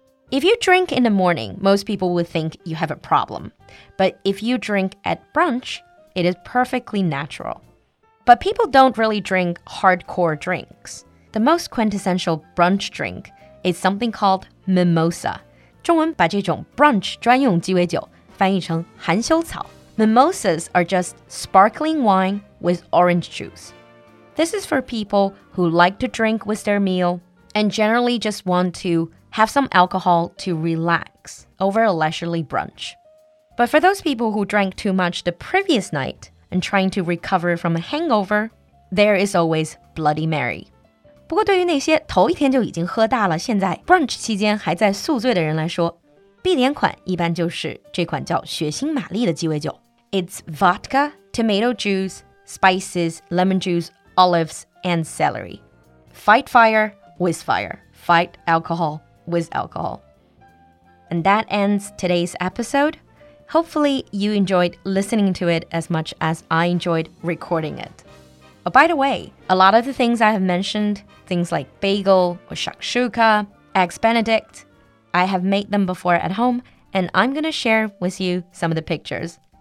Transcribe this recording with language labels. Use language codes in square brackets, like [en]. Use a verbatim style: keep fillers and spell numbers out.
[en] If you drink in the morning, most people would think you have a problem. But if you drink at brunch, it is perfectly natural. But people don't really drink hardcore drinks. The most quintessential brunch drink is something called mimosa. [zh] 中文把这种 brunch 专用鸡尾酒翻译成含羞草. [en] Mimosas are just sparkling wine with orange juice. This is for people who like to drink with their meal and generally just want to have some alcohol to relax over a leisurely brunch. But for those people who drank too much the previous night and trying to recover from a hangover, there is always Bloody Mary. [zh] 不过对于那些头一天就已经喝大了 现在 brunch 期间还在宿醉的人来说 必点款一般就是这款叫血腥玛丽的鸡尾酒 [en] It's vodka, tomato juice, spices, lemon juice, olives, and celery. Fight fire with fire. Fight alcohol with alcohol. And that ends today's episode. Hopefully you enjoyed listening to it as much as I enjoyed recording it. Oh, by the way, a lot of the things I have mentioned, things like bagel or shakshuka, eggs benedict, I have made them before at home, and I'm going to share with you some of the pictures.